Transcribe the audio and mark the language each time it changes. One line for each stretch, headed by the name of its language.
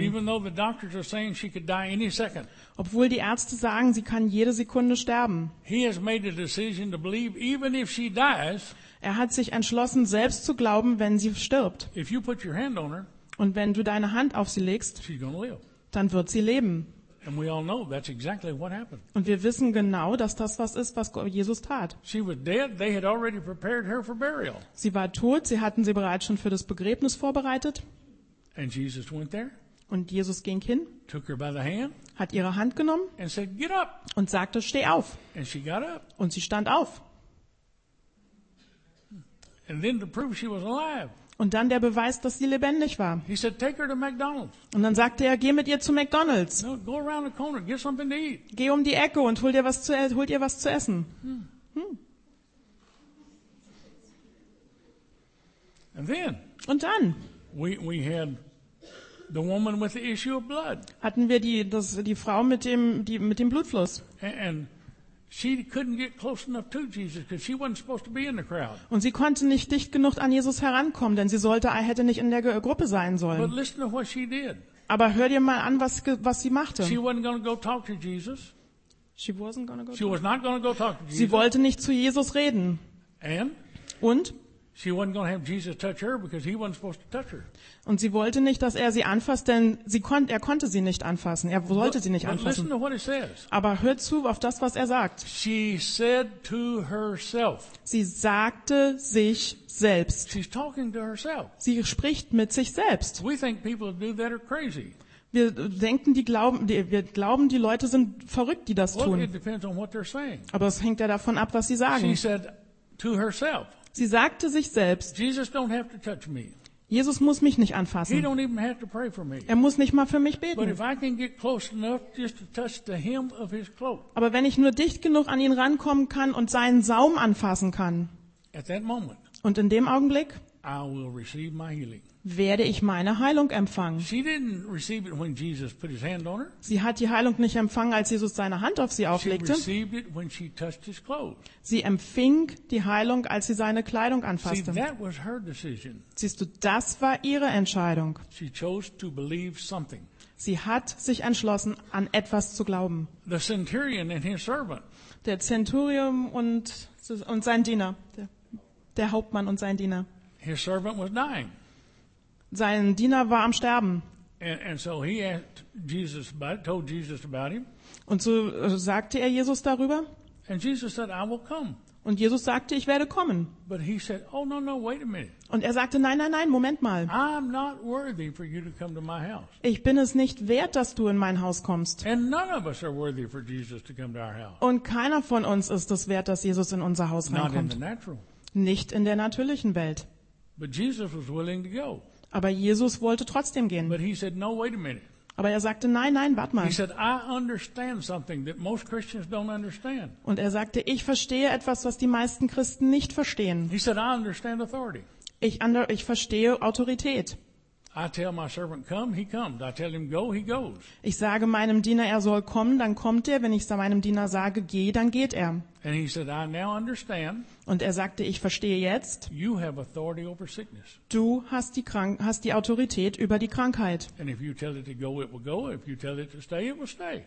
English: Even though the doctors are saying she could die any second.
German: Obwohl die Ärzte sagen, sie kann jede Sekunde sterben.
English: He has made a decision to believe, even if she dies,
German: er hat sich entschlossen, selbst zu glauben, wenn sie stirbt.
English: If you put your hand on her,
German: und wenn du deine Hand auf sie legst, dann wird sie leben.
English: And we all know that's exactly what happened.
German: Und wir wissen genau, dass das was ist, was Jesus tat.
English: She was dead. They had already prepared her for burial.
German: Sie war tot, sie hatten sie bereits schon für das Begräbnis vorbereitet.
English: And Jesus went there,
German: und Jesus ging hin,
English: took her by the hand,
German: hat ihre Hand genommen
English: and said, get up.
German: Und sagte, steh auf.
English: And she got up.
German: Und sie stand auf. Und dann, um zu beweisen, dass sie lebendig war. Und dann der Beweis, dass sie lebendig war.
English: He said, take her to McDonald's.
German: Und dann sagte er, geh mit ihr zu McDonald's.
English: No, go around the corner, get something to eat.
German: Geh um die Ecke und hol dir was zu essen.
English: And then,
German: und dann
English: we had the woman with the issue of blood.
German: Hatten wir die Frau mit dem Blutfluss.
English: And she couldn't get close enough to Jesus because she wasn't supposed to be in the crowd.
German: Und sie konnte nicht dicht genug an Jesus herankommen, denn sie hätte nicht in der Gruppe sein sollen.
English: But listen to what she did.
German: Aber hör dir mal an, was sie machte.
English: She wasn't going to go talk to Jesus. She wasn't going to go. She was not going to go talk to Jesus.
German: Sie wollte nicht zu Jesus reden.
English: And?
German: Und?
English: She wasn't going to have Jesus touch her because he wasn't supposed to touch her.
German: Und sie wollte nicht, dass er sie anfasst, denn er konnte sie nicht anfassen. Er wollte sie nicht anfassen.
English: Listen to what he says.
German: Aber hör zu auf das, was er sagt.
English: She said to herself.
German: Sie sagte sich selbst.
English: She's talking to herself.
German: Sie spricht mit sich selbst.
English: We think people do that are crazy.
German: Wir glauben, die Leute sind verrückt, die das tun.
English: It depends on what they're saying.
German: Aber es hängt ja davon ab, was sie sagen.
English: She said to herself.
German: Sie sagte sich selbst,
English: Jesus don't have to touch me.
German: Jesus muss mich nicht anfassen.
English: He don't even have to pray for me.
German: Er muss nicht mal für mich beten.
English: But if I can get close enough just to touch the hem of his cloak.
German: Aber wenn ich nur dicht genug an ihn rankommen kann und seinen Saum anfassen kann.
English: At that moment.
German: Und in dem Augenblick.
English: I will receive my healing.
German: Werde ich meine Heilung empfangen.
English: She didn't receive it when Jesus put his hand on her.
German: Sie hat die Heilung nicht empfangen, als Jesus seine Hand auf sie auflegte.
English: She received it when she touched his clothes.
German: Sie empfing die Heilung, als sie seine Kleidung anfasste.
English: See, that was her decision.
German: Siehst du, das war ihre Entscheidung.
English: She chose to believe something.
German: Sie hat sich entschlossen, an etwas zu glauben.
English: The centurion and his servant.
German: Der Zenturium und sein Diener, der Hauptmann und sein Diener.
English: His servant was dying.
German: Sein Diener war am Sterben.
English: And so he asked Jesus about it, told Jesus about him.
German: Und so sagte er Jesus darüber.
English: And Jesus said, I will come.
German: Und Jesus sagte, ich werde kommen.
English: But he said, oh, no, no, wait a minute.
German: Und er sagte, nein, nein, nein, Moment mal.
English: I'm not worthy for you to come to my house.
German: Ich bin es nicht wert, dass du in mein Haus kommst.
English: And none of us are worthy for Jesus to come to our house.
German: Und keiner von uns ist es wert, dass Jesus in unser Haus reinkommt.
English: Not in the natural.
German: Nicht in der natürlichen Welt.
English: But Jesus was willing to go.
German: Aber Jesus wollte trotzdem gehen.
English: But he said, no, wait a minute.
German: Aber er sagte, nein, nein, warte mal.
English: He said, I understand something that most Christians don't understand.
German: Und er sagte, ich verstehe etwas, was die meisten Christen nicht verstehen.
English: He said, I understand authority.
German: Ich verstehe Autorität.
English: I tell my servant, come, he comes. I tell him, go, he goes.
German: Ich sage meinem Diener, er soll kommen, dann kommt er. Wenn ich meinem Diener sage, geh, dann geht er.
English: And he said, I now understand.
German: Und er sagte, ich verstehe jetzt.
English: You have authority over sickness.
German: Du hast die Autorität über die Krankheit.
English: And if you tell it to go, it will go. If you tell it to stay, it will stay.